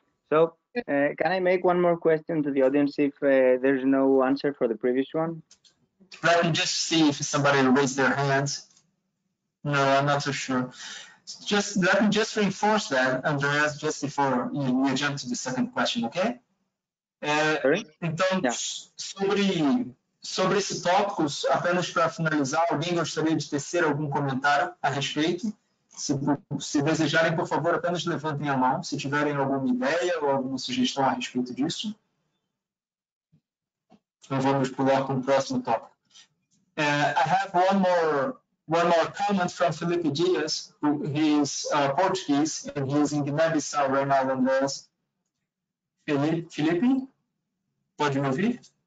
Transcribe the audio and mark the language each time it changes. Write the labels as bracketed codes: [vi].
[en] So can I make one more question to the audience if there's no answer for the previous one? Let me just see if somebody raised their hands. No, I'm not so sure. Just let me just reinforce that, Andreas, just before we jump to the second question, okay? Então, yeah. [pt] sobre esse tópico, apenas para finalizar, alguém gostaria de tecer algum comentário a respeito? Se desejarem, por favor, apenas levantem a mão, se tiverem alguma ideia ou alguma sugestão a respeito disso. Então, vamos pular para o próximo tópico. [en] I have one more comment from Felipe Dias, who is Portuguese, and he is in Guiné-Bissau right now, and there's Felipe, [pt] pode me ouvir?